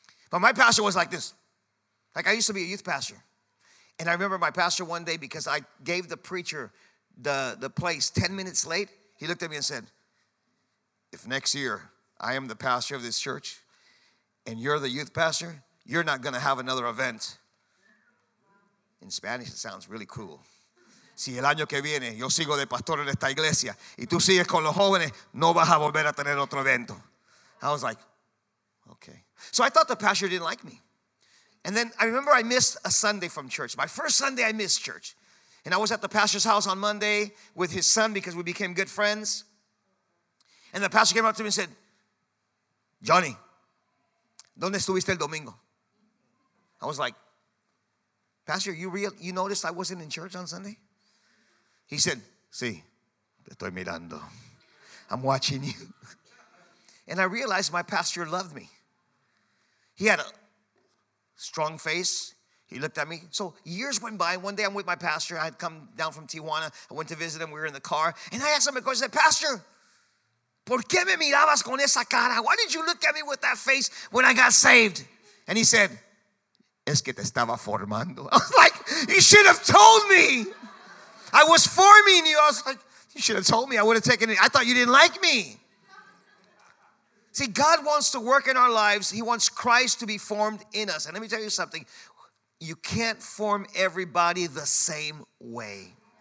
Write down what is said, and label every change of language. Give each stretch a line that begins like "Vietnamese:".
English: But my pastor was like this. Like, I used to be a youth pastor. And I remember my pastor one day, because I gave the preacher the place 10 minutes late, he looked at me and said, if next year I am the pastor of this church and you're the youth pastor, you're not going to have another event. In Spanish, it sounds really cruel.
Spanish: Si el año que viene, yo sigo de pastor en esta iglesia, y tú sigues con los jóvenes, no vas a volver a tener otro evento.
English: I was like, okay. So I thought the pastor didn't like me. And then I remember I missed a Sunday from church. My first Sunday, I missed church. And I was at the pastor's house on Monday with his son because we became good friends. And the pastor came up to me and said, Johnny,
Spanish: ¿dónde estuviste el domingo?
English: I was like, pastor, you noticed I wasn't in church on Sunday? He said,
Spanish: sí, te estoy mirando.
English: I'm watching you. And I realized my pastor loved me. He had a strong face. He looked at me. So years went by. One day I'm with my pastor. I had come down from Tijuana. I went to visit him. We were in the car. And I asked him a question. I said, pastor,
Spanish: ¿por qué me mirabas con esa cara?
English: Why did you look at me with that face when I got saved? And he said,
Spanish: es que te estaba formando.
English: I was like, you should have told me. I was forming you. I was like, you should have told me. I would have taken it. I thought you didn't like me. See, God wants to work in our lives. He wants Christ to be formed in us. And let me tell you something. You can't form everybody the same way.